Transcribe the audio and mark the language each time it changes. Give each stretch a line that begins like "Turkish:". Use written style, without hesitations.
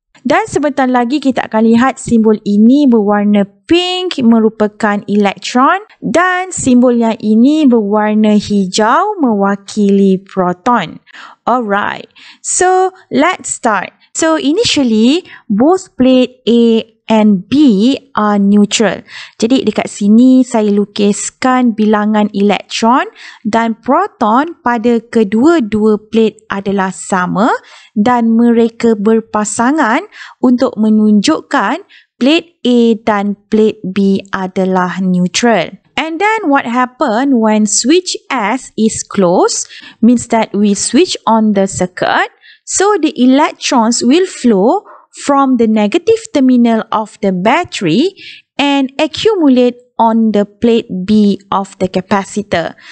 Malay: Dan sebentar lagi kita akan lihat simbol ini berwarna pink merupakan elektron dan simbol yang ini berwarna hijau mewakili proton.
English: Alright, so let's start. So initially, both plate A and B are neutral.
Malay: Jadi dekat sini saya lukiskan bilangan elektron dan proton pada kedua-dua plate adalah sama dan mereka berpasangan untuk menunjukkan plate A dan plate B adalah neutral.
English: And then what happened when switch S is closed means that we switch on the circuit. So the electrons will flow from the negative terminal of the battery and accumulate on the plate B of the capacitor.